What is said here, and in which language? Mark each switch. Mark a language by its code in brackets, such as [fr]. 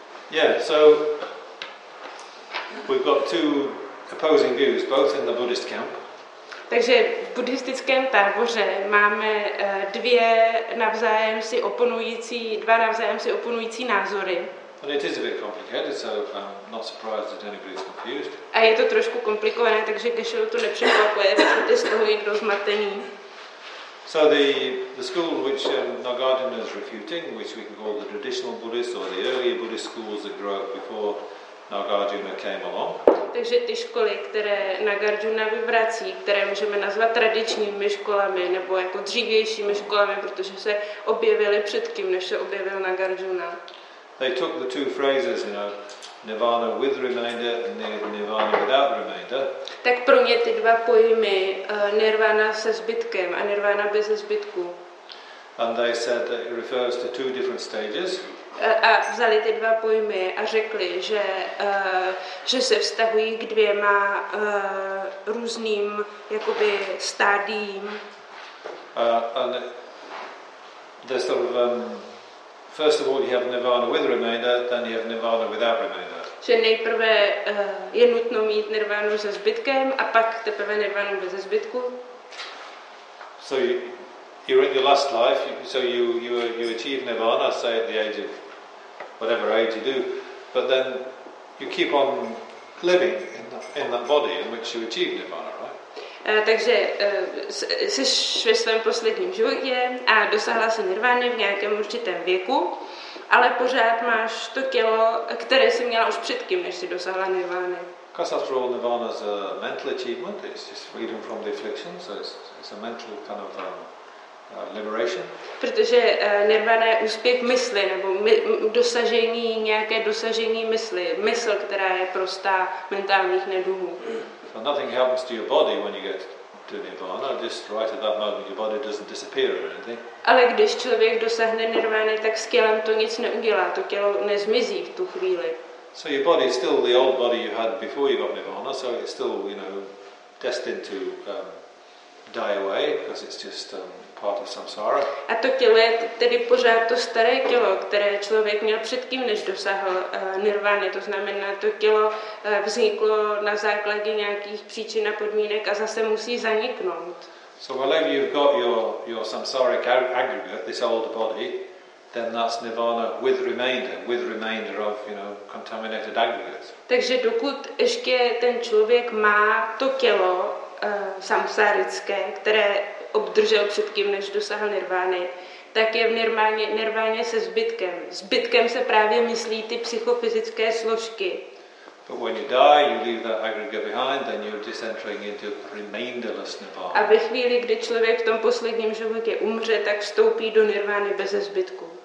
[en] Yeah, so we've got two opposing views, both in the Buddhist camp. [cs] Takže v buddhistickém táboře máme dva navzájem si oponující názory. [en] And it is a bit complicated, so I'm not surprised that anybody's confused. [cs] A je to trošku komplikované, takže Geshe-la to nepřekvapuje, protože z toho je někdo zmatený. [en] So the school which Nagarjuna is refuting, which we can call the traditional Buddhist or the earlier Buddhist schools that grew up before Nagarjuna came along. [cs] Takže ty školy, které Nagarjuna vyvrací, které můžeme nazvat tradičními školami nebo jako dřívějšími školami, protože se objevily před tím, než se objevil Nagarjuna. [en] They took the two phrases, you know, nirvana with remainder and nirvana without remainder. [cs] Tak pro mě ty dva pojmy, nirvana se zbytkem a nirvana bez zbytku. [en] And they said that it refers to two different stages. [cs] A vzali ty dva pojmy a řekli, že se vztahují k dvěma různým jakoby stádiím. [en] And they sort of first of all, you have nirvana with remainder, then you have nirvana without remainder. [cs] Že nejprve je nutno mít nirvánu se zbytkem a pak teprve nirvánu bez zbytku. [en] So you're in your last life, so you achieve nirvana, say at the age of whatever age you do, but then you keep on living in that body in which you achieve nirvana. [cs] Takže jsi ve svém posledním životě a dosáhla jsi nirvány v nějakém určitém věku, ale pořád máš to tělo, které jsi měla už předtím, než jsi dosáhla nirvány. [en] Because after all, nirvana is a mental achievement, it's just freedom from the affliction, so it's a mental kind of liberation. [cs] Protože nirvana je úspěch mysli, nebo dosažení mysli, mysl, která je prostá mentálních neduhů. [en] So nothing happens to your body when you get to nirvana. Just right at that moment, your body doesn't disappear or anything. [cs] Ale když člověk dosáhne nirvány, tak s tělem to nic neudělá. To tělo nezmizí v tu chvíli. [en] So your body is still the old body you had before you got nirvana. So it's still, you know, destined to die away because it's just part of samsara. [cs] A to tělo je tedy pořád to staré tělo, které člověk měl předtím, než dosáhl nirvány. To znamená, to tělo vzniklo na základě nějakých příčin a podmínek a zase musí zaniknout. [en] So whenever you've got your samsaric aggregate, this old body, then that's nirvana with remainder of, you know, contaminated aggregates. [cs] Takže dokud ještě ten člověk má to tělo samsárické, které obdržel předtím, než dosáhl nirvány, tak je v nirváně se zbytkem. Zbytkem se právě myslí ty psychofyzické složky. [en] But when you die, you leave that aggregate behind, then you're disentering into remainderless nirvana. [cs] A ve chvíli, kdy člověk v tom posledním životě umře, tak vstoupí do nirvány bez zbytku.